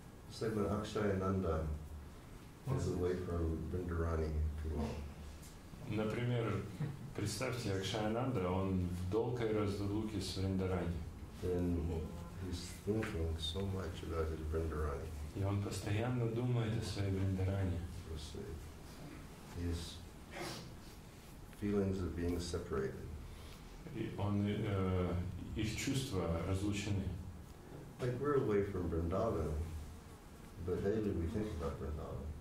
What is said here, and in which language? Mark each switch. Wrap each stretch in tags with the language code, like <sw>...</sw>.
<en>Just like when Akshayananda is away from Bandarani too long.</en> <ru>Например, представьте, Акшаянанда, он в долгой разлуке с Бандарани.</ru> <en>He's thinking so much about his Vrindarani.</en> <ru>И он постоянно думает о своей Vrindarani.</ru> <en>His feelings of being separated.</en> <ru>И он их чувства разлучены.</ru> <en>Like we're away from Vrindavan, but daily we think about Vrindavan.</en>